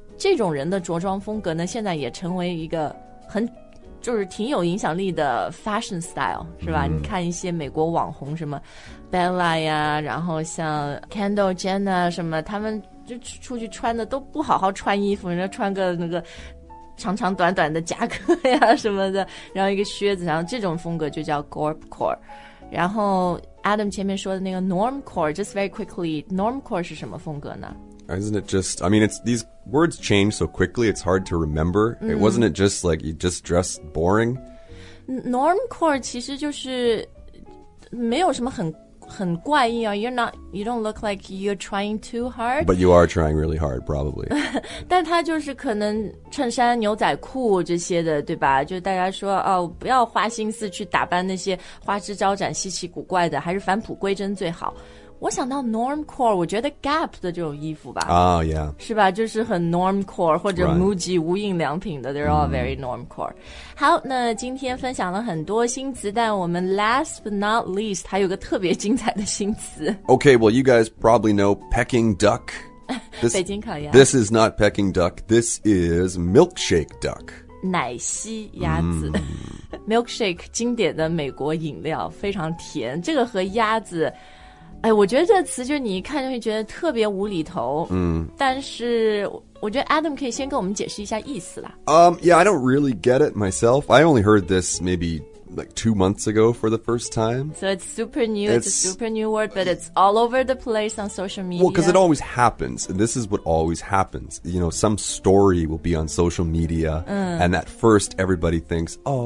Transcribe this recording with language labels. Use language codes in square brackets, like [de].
[zh] 这种人的着装风格呢现在也成为一个很就是挺有影响力的 fashion style 是吧、你看一些美国网红什么 Bella 呀然后像 Kendall Jenner 什么他们就出去穿的都不好好穿衣服人家穿个那个长长短短的夹克呀什么的然后一个靴子然后这种风格就叫 Gorpcore 然后 Adam 前面说的那个 Normcore [en] just very quickly [zh] Normcore 是什么风格呢 [en] Isn't it just, I mean, it's, these words change so quickly, it's hard to remember. It wasn't it just like, you just dressed boring? Normcore [zh] 其实就是没有什么很怪异啊 [en] You're not, you don't look like you're trying too hard. But you are trying really hard, probably. [zh] 但它就是可能衬衫、牛仔裤这些的，对吧？就大家说，哦，不要花心思去打扮那些花枝招展、稀奇古怪的，还是返璞归真最好。我想到 normcore 我觉得 gap 的这种衣服吧 [en] oh yeah [zh] 是吧就是很 normcore 或者 Muji、right. 无印良品的 [en] they're all very normcore [zh] 好那今天分享了很多新词但我们 [en] last but not least [zh] 还有个特别精彩的新词 [en] okay well you guys probably know pecking duck [zh] this, 北京烤鸭 [en] this is not pecking duck this is milkshake duck [zh] 奶昔鸭子、milkshake 经典的美国饮料非常甜这个和鸭子哎，我觉得这个词就是你一看就会觉得特别无厘头。但是我觉得 Adam 可以先跟我们解释一下意思啦。 [en] Yeah, I don't really get it myself. I only heard this maybe like 2 months ago for the first time. So it's super new. It's a super new word, but it's all over the place on social media. Well, because it always happens. This is what always happens. You know, some story will be on social media, and at first everybody thinks,